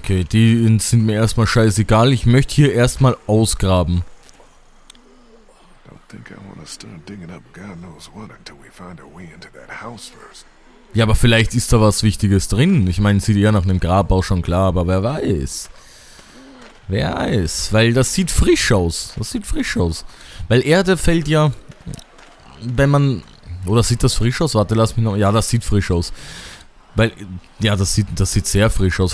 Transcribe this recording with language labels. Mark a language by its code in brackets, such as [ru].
[de] Die sind mir erstmal scheißegal. Ich möchte hier erstmal ausgraben. [en] Don't think I want to start digging up God knows what until we find a way into that house first. [de] Ja, aber vielleicht ist da was Wichtiges drin. Ich meine, sieht eher nach einem Grab auch schon klar, aber wer weiß. Wer weiß, weil das sieht frisch aus. Das sieht frisch aus. Weil Erde fällt ja, wenn man... Oder sieht das frisch aus? Warte, lass mich noch... Ja, das sieht frisch aus. Weil, ja, das sieht sehr frisch aus.